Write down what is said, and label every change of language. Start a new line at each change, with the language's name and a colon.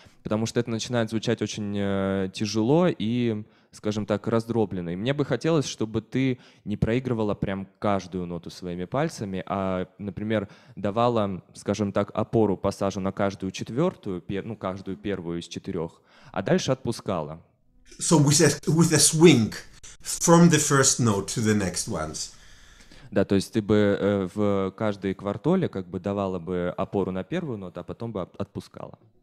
Russian: Потому что это начинает звучать очень тяжело и, скажем так, раздробленно. И мне бы хотелось, чтобы ты не проигрывала прям каждую ноту своими пальцами, а, например, давала, скажем так, опору пассажу на каждую четвертую, ну, каждую первую из четырех, а дальше отпускала.
English: So with a swing from the first note to the next ones.
Russian: Да, то есть ты бы в каждой квартоле как бы давала бы опору на первую ноту, а потом бы отпускала.